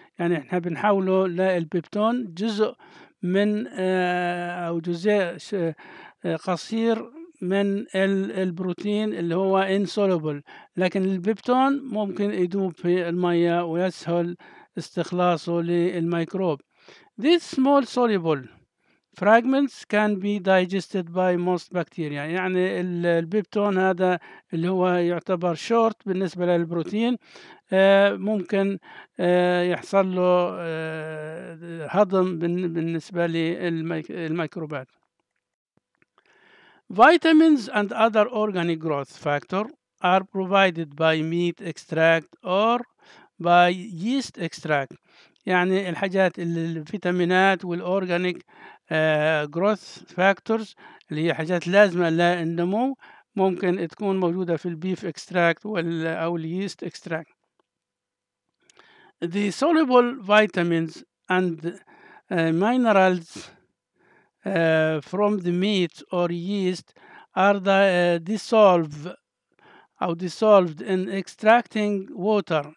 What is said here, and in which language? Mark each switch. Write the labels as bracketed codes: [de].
[ar] يعني احنا بنحاوله للبيبتون جزء من او جزء قصير من البروتين اللي هو insoluble، لكن البيبتون ممكن يدوب في المية ويسهل استخلاصه للميكروب. [en] These small soluble fragments can be digested by most bacteria. [ar] يعني البيبتون هذا اللي هو يعتبر short بالنسبة للبروتين ممكن يحصل له هضم بالنسبة للميكروبات. [en] Vitamins and other organic growth factors are provided by meat extract or by yeast extract. [ar] يعني الحاجات الفيتامينات والorganic growth factors اللي هي حاجات لازمة للنمو ممكن تكون موجودة في البيف extract أو اليست extract. [en] The soluble vitamins and minerals from the meat or yeast are dissolved in extracting water.